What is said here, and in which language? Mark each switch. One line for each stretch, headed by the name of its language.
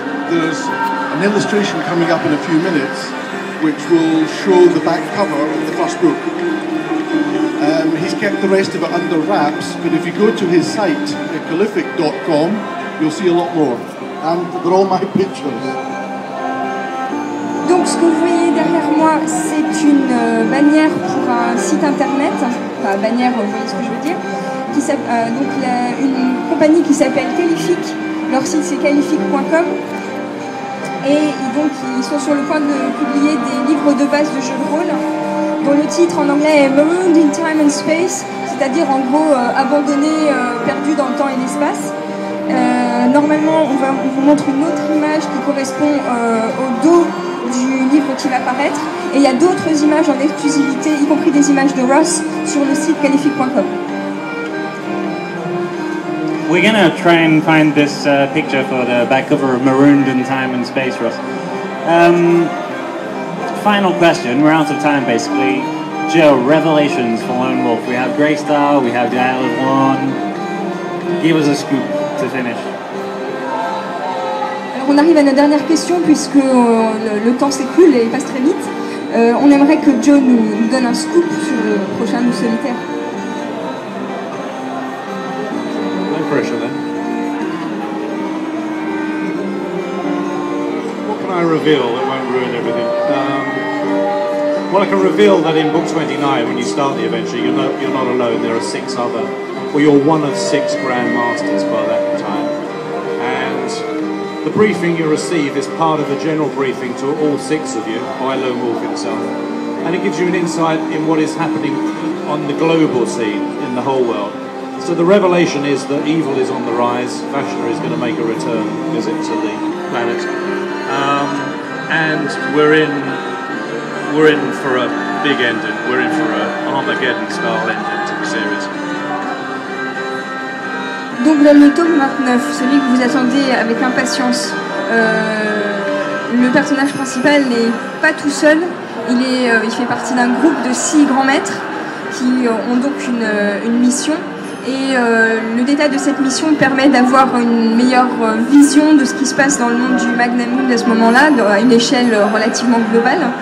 English: There's an illustration coming up in a few minutes which will show the back cover of the first book. He's kept the rest of it under wraps, but if you go to his site, caliphic.com, you'll see a lot more. And they're all my pictures.
French: Donc ce que vous voyez derrière moi, c'est une bannière pour un site internet, enfin bannière, vous voyez ce que je veux dire, qui s'appelle, une compagnie qui s'appelle Caliphic. Leur site c'est caliphic.com et donc ils sont sur le point de publier des livres de base de jeux de rôle dont le titre en anglais est Marooned in Time and Space, c'est-à-dire en gros abandonné, perdu dans le temps et l'espace. Normalement on vous montre une autre image qui correspond au dos du livre qui va paraître. Et il y a d'autres images en exclusivité, y compris des images de Ross, sur le site qualifique.com.
English: We're going to try and find this picture for the back cover of Marooned in Time and Space, Ross. Final question, we're out of time basically. Joe, revelations for Lone Wolf. We have Greystar, we have the Isle of One. Give us a scoop to finish.
French: Alors on arrive à notre dernière question puisque le temps s'écoule et passe très vite. On aimerait que Joe nous donne un scoop sur le prochain Nous Solitaire.
English: What can I reveal that won't ruin everything? Well, I can reveal that in book 29, when you start the adventure, you're not alone. There are six other, well, you're one of six grandmasters by that time. And the briefing you receive is part of a general briefing to all six of you by Lone Wolf himself. And it gives you an insight in what is happening on the global scene in the whole world. So the revelation is that evil is on the rise. Vashna is going to make a return visit to the planet, and we're in for a big ending. We're in for an Armageddon-style ending to the series.
French: Donc dans le tome 29, celui que vous attendez avec impatience, le personnage principal n'est pas tout seul. Il fait partie d'un groupe de six grands maîtres qui ont donc une mission. Et le détail de cette mission permet d'avoir une meilleure vision de ce qui se passe dans le monde du Magna Mund à ce moment-là, à une échelle relativement globale.